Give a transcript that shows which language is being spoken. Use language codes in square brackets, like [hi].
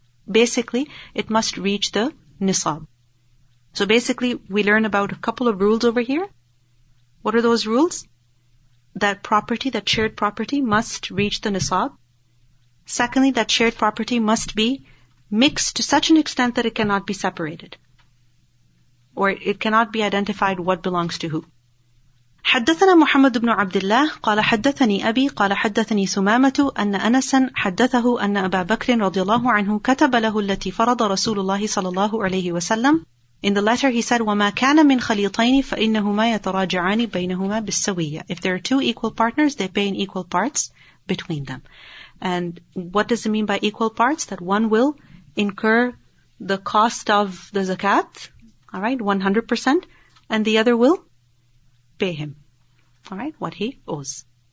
[en] Basically, it must reach the nisab. So basically, we learn about a couple of rules over here. What are those rules? That property, that shared property, must reach the nisab. Secondly, that shared property must be mixed to such an extent that it cannot be separated. Or it cannot be identified what belongs to who. [ar] حدثنا محمد بن عبد الله قال حدثني أبي قال حدثني سمامة أن أنسا حدثه أن أبا بكر رضي الله عنه كتب له التي فرض رسول الله صلى الله عليه وسلم. [en] In the letter he said, [ar] وما كان من خليطين فإنهما يتراجعان بينهما بالسوية. [en] If there are two equal partners, they pay in equal parts between them. And what does it mean by equal parts? That one will incur the cost of the zakat, all right, 100%, and the other will pay him, all right, what he owes.